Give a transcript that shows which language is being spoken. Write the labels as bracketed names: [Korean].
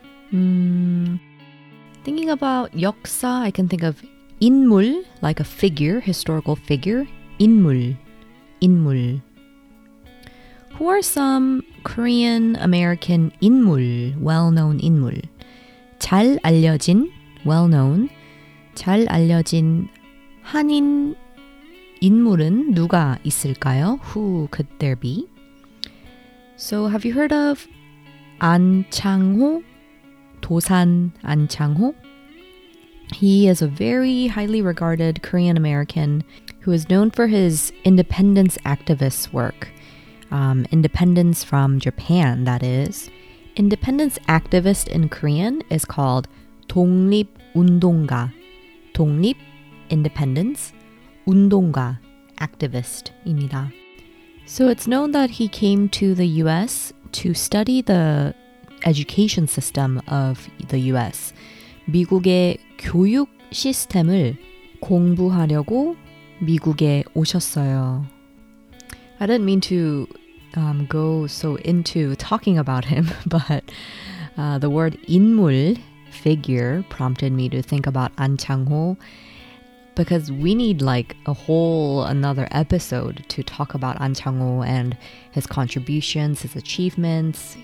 [English] Thinking about 역사, I can think of 인물, like a figure, historical figure. [Korean] 인물. 인물. [English] Who are some Korean American 인물, well-known 인물? [Korean] 잘 알려진, [English] well-known. [Korean] 잘 알려진 한인 인물은 누가 있을까요? [English] Who could there be? So, have you heard of 안창호? 도산 안창호? He is a very highly regarded Korean American who is known for his independence activist work. Independence from Japan, that is. Independence activist in Korean is called 독립운동가. [Korean] 독립, [English] independence, [Korean] 운동가, [English] activist [Korean] 입니다. [English] So it's known that he came to the U.S. to study the education system of the U.S. [Korean] 미국의 교육 시스템을 공부하려고 미국에 오셨어요. [English] I didn't mean to go so into talking about him, but the word 인물, figure, prompted me to think about 안창호, because we need like a whole another episode to talk about 안창호 and his contributions, his achievements.